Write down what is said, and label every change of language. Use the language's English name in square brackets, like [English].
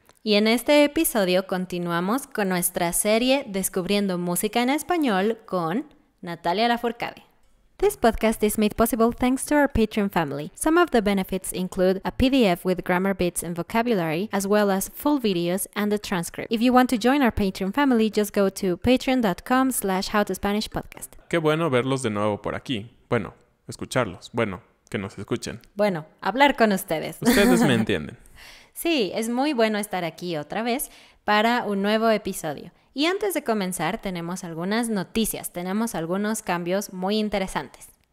[Spanish] Y en este episodio continuamos con nuestra serie Descubriendo Música en Español con Natalia LaFourcade. [English] This podcast is made possible thanks to our Patreon family. Some of the benefits include a PDF with grammar bits and vocabulary, as well as full videos and a transcript. If you want to join our Patreon family, just go to patreon.com/howtospanishpodcast. [Spanish] Qué bueno verlos de nuevo por aquí. Bueno, escucharlos. Bueno, que nos escuchen. Bueno, hablar con ustedes. Ustedes me entienden. Sí, es muy bueno estar aquí otra vez para un nuevo episodio. Y antes de comenzar, tenemos algunas noticias. Tenemos algunos cambios muy interesantes.